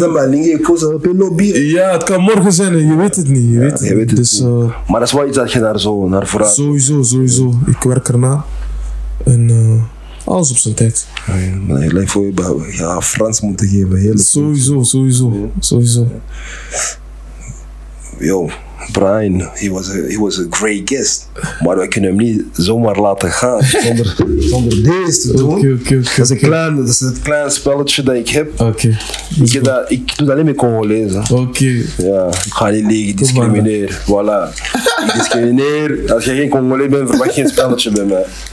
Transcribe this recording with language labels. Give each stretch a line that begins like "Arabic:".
Dutch: het kan morgen zijn, je weet het niet. Je weet het niet. Maar dat is wel iets dat je daar zo naar vooruit. Sowieso. Ja. Ik werk erna. En alles op zijn tijd. Ja, maar ik lijkt voor je Frans moeten geven. Sowieso. Ja.
English: Yo, Brian, he was a great guest.
Dutch: Maar we kunnen hem niet zomaar laten gaan zonder deze te doen. Dat is het kleine spelletje dat ik heb. Ik doe dat alleen met Congolezen. Ja, ik ga niet liggen, discrimineer. Voilà. Ik discrimineer. Als je geen Congolees bent, verwacht geen spelletje bij mij.